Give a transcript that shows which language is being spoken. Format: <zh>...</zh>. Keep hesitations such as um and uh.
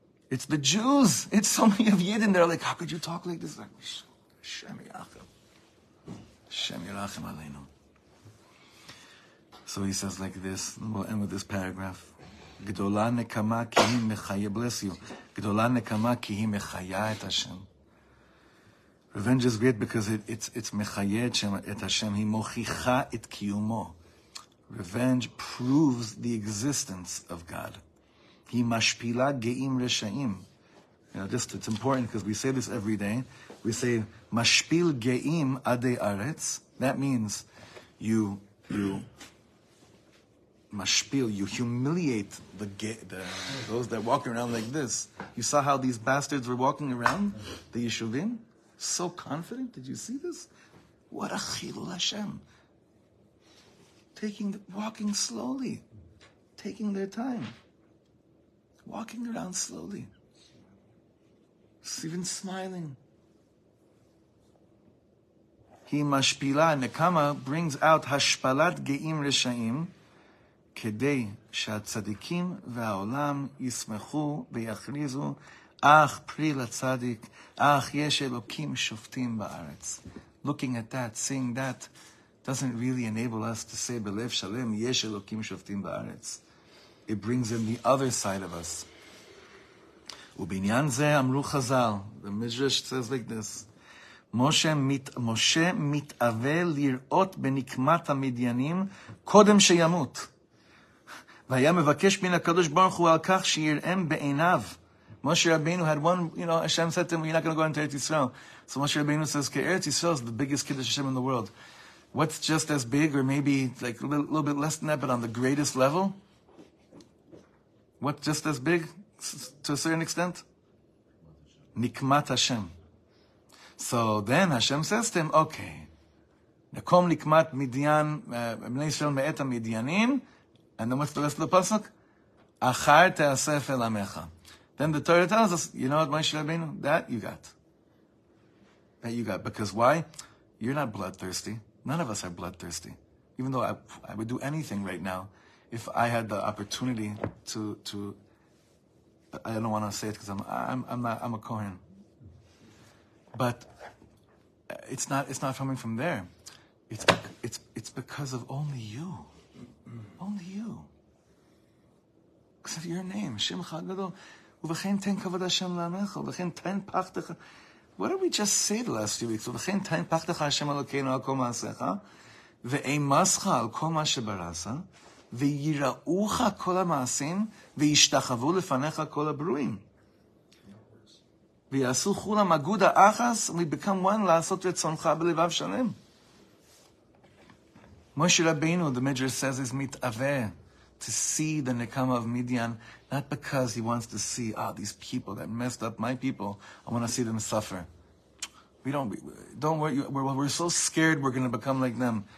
<en>It's the Jews. It's so many of Yidden. They're like, how could you talk like this? Like, Hashem Yirachem. Hashem Yirachem Aleinu. So he says like this, and we'll end with this paragraph.</en> <he>גדולה נקמה כי היא מחיה,</he> <en>bless you.</en> <he>גדולה נקמה כי היא מחיה את השם.</he> <en>Revenge is great because it, it's, it's</en> <he>מחיה את שם- את השם, היא מוכיחה את קיומו.</he> <en>Revenge proves the existence of God.</en> <he>היא משפילה גאים רשעים.</he> <en>You know, just, it's important because we say this every day. We say,</en> <he>משפיל גאים עדי ארץ.</he> <en>That means you, you mashpil, you humiliate the, ge- the those that walk around like this. You saw how these bastards were walking around the yeshuvim, so confident. Did you see this? What a chilul Hashem, taking, walking slowly, taking their time, walking around slowly, even smiling. He mashpila nekama brings out hashpalat geim reshaim.</en> <he>כדי שהצדיקים והעולם ישמחו ויכריזו, אך פרי לצדיק, אך יש אלוקים שופטים בארץ.</he> <en>Looking at that, seeing that, doesn't really enable us to say</en> <he>בלב שלם, יש אלוקים שופטים בארץ.</he> <en>It brings in the other side of us.</en> <he>ובעניין זה אמרו חז"ל,</he> <en>the midrash says like this,</en> <he>משה, מת, משה מתאווה לראות בנקמת המדיינים קודם שימות. והיה מבקש מן הקדוש ברוך הוא על כך שיראם בעיניו.</he> <en>Moshe Rabbeinu had one, you know, Hashem said to him, you're not going to go into Eretz Yisrael. So Moshe Rabbeinu says, okay, Eretz Yisrael is the biggest Kiddush Hashem in the world. What's just as big, or maybe like a little, little bit less than that, but on the greatest level? What's just as big, s- to a certain extent? Nikmat Hashem. So then Hashem says to him, okay, Nakom Nikmat Midian, uh, Bnei Israel Me'et Midianim, and then what's the rest of the pasuk? Achar te'asef el amecha. Then the Torah tells us, you know what, Moshe Rabbeinu, that you got. That you got. Because why? You're not bloodthirsty. None of us are bloodthirsty. Even though I, I would do anything right now if I had the opportunity to, to but I don't want to say it because I'm, I'm, I'm not, I'm a Kohen. But uh, it's not, it's not coming from there. It's, it's, it's because of only you. Only you. Because of your name,</en> <he>שמך הגדול. ובכן תן כבוד השם לעמך, ובכן תן פחדך.</he> <en>What did we just say the last few weeks?</en> <he>ובכן תן פחדך השם אלוקינו על כל מעשיך, ואימסך על כל מה שבראת, ויראוך כל המעשים, וישתחוו לפניך כל הברואים. ויעשו כולם אגודה אחס,</he> <en>we become one</en> <he>לעשות רצונך בלבב שלם.</he> <en>Moshe Rabbeinu, the Midrash says, is mitaveh, to see the Nekama of Midian, not because he wants to see, ah, these people that messed up my people, I want to see them suffer. We don't, we, don't worry, we're, we're so scared we're going to become like them.</en>